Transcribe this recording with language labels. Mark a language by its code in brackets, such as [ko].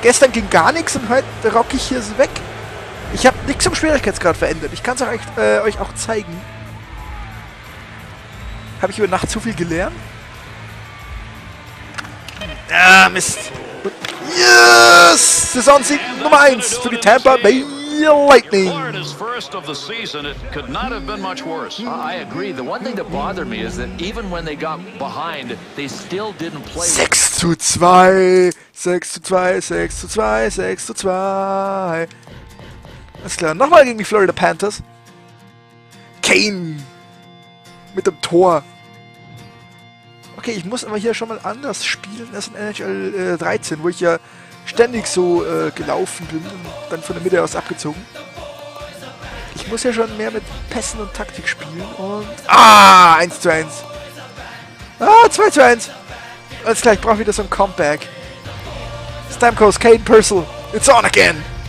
[de] Gestern ging gar nichts und heute rock ich hier so weg. Ich hab nichts im Schwierigkeitsgrad verändert. Ich kann's euch auch zeigen. Hab ich über Nacht zu viel gelernt? Ah, Mist. Yes! Saisonsieg Nummer 1 für die Tampa Bay Lightning. [en] Florida's first of the season, it could not have been much worse. I agree. The one thing that bothered me is that even when they got behind, they still didn't play. 6-2. 6-2. 6-2. [de] 6-2. Alles klar. Nochmal gegen die Florida Panthers. Kane. Mit dem Tor. Okay, ich muss aber hier schon mal anders spielen als in NHL 13, wo ich ja ständig so gelaufen bin und dann von der Mitte aus abgezogen. Ich muss ja schon mehr mit Pässen und Taktik spielen und... Ah, 1-1. Ah, 2-1. Alles klar, ich brauche wieder so ein Comeback. [en] Stamkos, Kane, Purcell, it's on again.